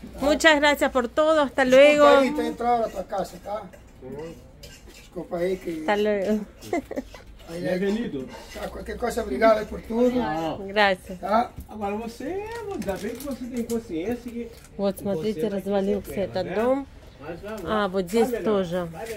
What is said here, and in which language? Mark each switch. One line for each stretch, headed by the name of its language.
Spanish: Muchas gracias por todo. Hasta luego. Disculpa ahí, te he entrado a tu casa, ¿está? Disculpa ahí que... Hasta luego. Bienvenido. Cualquier cosa, obrigado por todo. Gracias.
Portuguese: Ahora, você, ainda bem que você tem consciência que...
Russian: Вот, смотрите, развалился этот дом. А, вот здесь тоже.